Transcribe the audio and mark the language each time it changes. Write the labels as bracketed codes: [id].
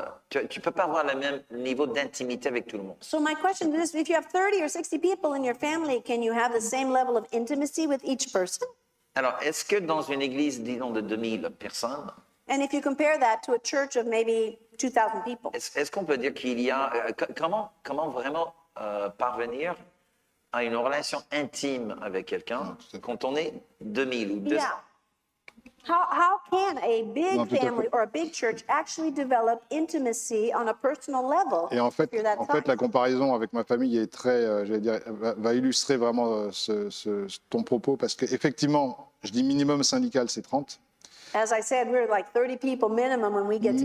[fr] Tu peux pas avoir le même niveau d'intimité avec tout le monde. [en] So my question is, if you have 30 or 60 people in your family, can you have the same level of intimacy with each person? [fr] Alors, est-ce que dans une église, disons, de 2000 personnes, [en] and if you compare that to a church of maybe 2,000 people, [fr] est-ce qu'on peut dire qu'il y a comment vraiment parvenir à une relation intime avec quelqu'un quand on est 2000 ou 200? [en] Yeah. How can a big family or a big church actually develop intimacy on a personal level? [fr] Et en fait, la comparaison avec ma famille est très, j'allais dire, va illustrer vraiment ton propos, parce que effectivement, je dis minimum syndical, c'est 30. [en] As I said, we're like 30 people minimum when we get together.